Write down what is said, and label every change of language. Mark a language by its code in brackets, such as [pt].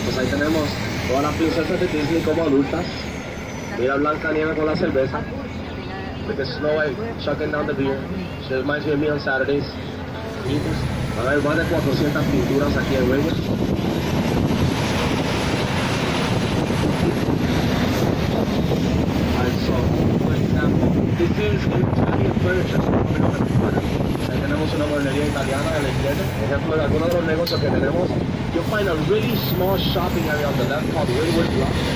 [es] Pues ahí tenemos todas las princesas de Disney como adultas. Mira Blanca Nieve con la cerveza. [en] Look at Snow White chucking down the beer. She reminds me of me on Saturdays. [es] Van a ver más de 400 pinturas aquí en Wynwood. [en] Alright, so, for example, This is an Italian furniture store coming up at the corner. [es] Ahí tenemos una mueblería italiana a la izquierda. Ejemplo de algunos de los negocios que tenemos. [en] You'll find a really small shopping area on the left called Woodward Block.